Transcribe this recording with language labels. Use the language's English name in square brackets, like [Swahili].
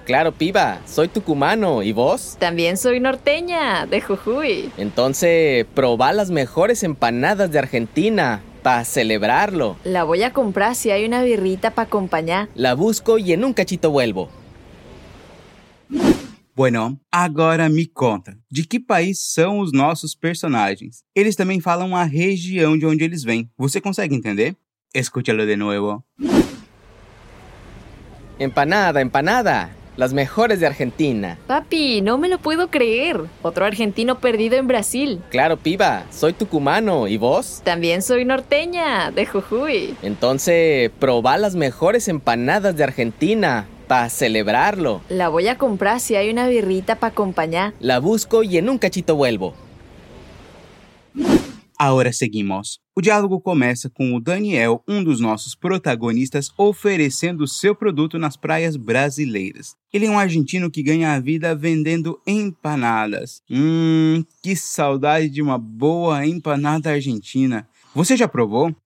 [Spanish] Claro, piba. Soy tucumano. ¿Y vos? También soy norteña, de Jujuy. Entonces, probá las mejores empanadas de Argentina. Para celebrarlo. La voy a comprar si hay una birrita para acompañar. La busco y en un cachito vuelvo. [Portuguese] Bueno, agora me conta. De que país são os nossos personagens? Eles também falam a região de onde eles vêm. Você consegue entender? [Spanish] Escúchalo [Portuguese] de novo. [Spanish] Empanada, empanada. Las mejores de Argentina. Papi, no me lo puedo creer. Otro argentino perdido en Brasil. Claro, piba. Soy tucumano. ¿Y vos? También soy norteña, de Jujuy. Entonces, probá las mejores empanadas de Argentina para celebrarlo. La voy a comprar si hay una birrita para acompañar. La busco y en un cachito vuelvo. Ahora seguimos. [Portuguese] O diálogo começa com o Daniel, um dos nossos protagonistas, oferecendo seu produto nas praias brasileiras. Ele é um argentino que ganha a vida vendendo empanadas. Que saudade de uma boa empanada argentina. Você já provou?